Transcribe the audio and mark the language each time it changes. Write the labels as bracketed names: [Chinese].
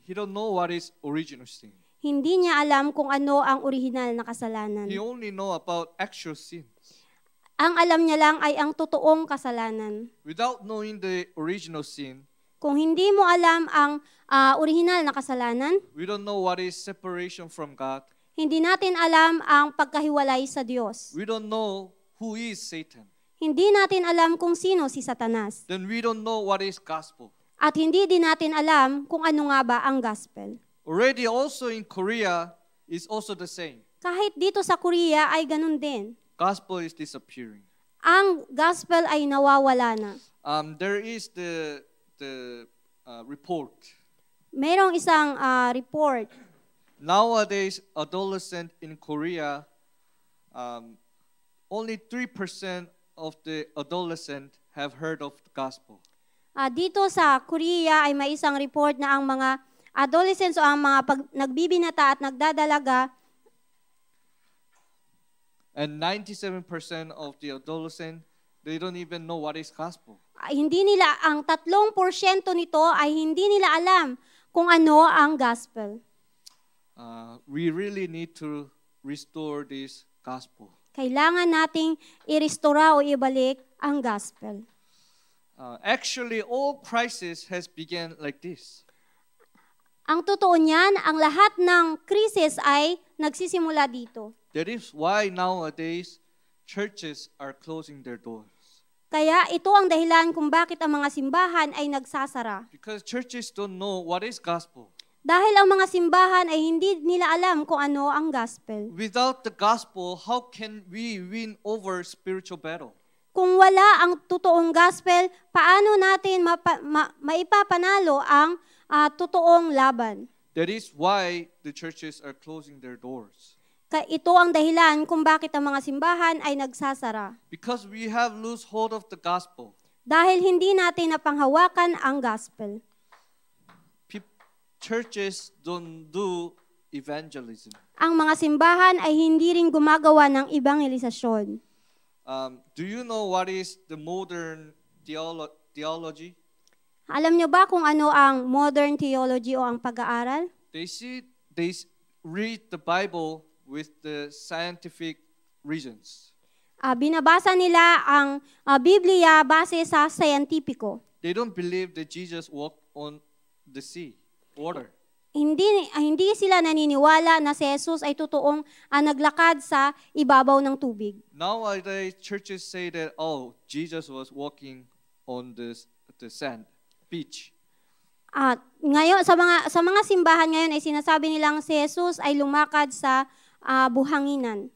[English] He don't know what is original sin. [Filipino] Hindi niya alam kung ano ang original na kasalanan. [English] He only know about actual sins. [Filipino] Ang alam niya lang ay ang totoong kasalanan. [English] Without knowing the original sin, [Filipino] kung hindi mo alam ang original na kasalanan, [English] we don't know what is separation from God. [Filipino] Hindi natin alam ang pagkahiwalay sa Diyos. [English] We don't know who is Satan. [Filipino] Hindi natin alam kung sino si Satanas. [English] Then we don't know what is gospel. [Filipino] At hindi din natin alam kung ano nga ba ang gospel. [English] Already also in Korea is also the same. [Filipino] Kahit dito sa Korea ay ganun din. [English] Gospel is disappearing. [Filipino] Ang gospel ay nawawala na. [English] There is the report. [Filipino] Merong isang report. [English] Nowadays, adolescent in Korea, only 3% of the adolescent have heard of the gospel. [Filipino] Dito sa Korea ay may isang report na ang mga adolescents o ang mga nagbibinata at nagdadalaga. [English] And 97% of the adolescent, they don't even know what is gospel. [Filipino] Hindi nila, ang 3% nito ay hindi nila alam kung ano ang gospel. [English] We really need to restore this gospel. [Filipino] Kailangan nating i-restore o ibalik ang gospel. [English] Actually, all crisis has begun like this. [Filipino] Ang totoo niyan, ang lahat ng krisis ay nagsisimula dito. [English] That is why nowadays, churches are closing their doors. [Filipino] Kaya ito ang dahilan kung bakit ang mga simbahan ay nagsasara. [English] Because churches don't know what is gospel. [Filipino] Dahil ang mga simbahan ay hindi nila alam kung ano ang gospel. [English] Without the gospel, how can we win over spiritual battle? [Filipino] Kung wala ang totoong gospel, paano natin maipapanalo ang totoong laban? [English] That is why the churches are closing their doors. [Filipino] Ito ang dahilan kung bakit ang mga simbahan ay nagsasara. [English] Because we have lost hold of the gospel. [Filipino] Dahil hindi natin napanghawakan ang gospel. [English] Churches don't do evangelism. [Filipino] Ang mga simbahan ay hindi rin gumagawa ng ebanghelisasyon. [English] Do you know what is the modern theology? [Filipino] Alam niyo ba kung ano ang modern theology o ang pag-aaral? [English] They read the Bible with the scientific reasons. [Filipino] Binabasa nila ang Biblia base sa siyentipiko. [English] They don't believe that Jesus walked on the sea, water. [Filipino] Hindi sila naniniwala na si Jesus ay totoong naglakad sa ibabaw ng tubig. [English] Nowadays, churches say that, oh, Jesus was walking on the sand. Beach. [Filipino] At ngayon sa mga simbahan ngayon ay sinasabi nilang si Jesus ay lumakad sa buhanginan.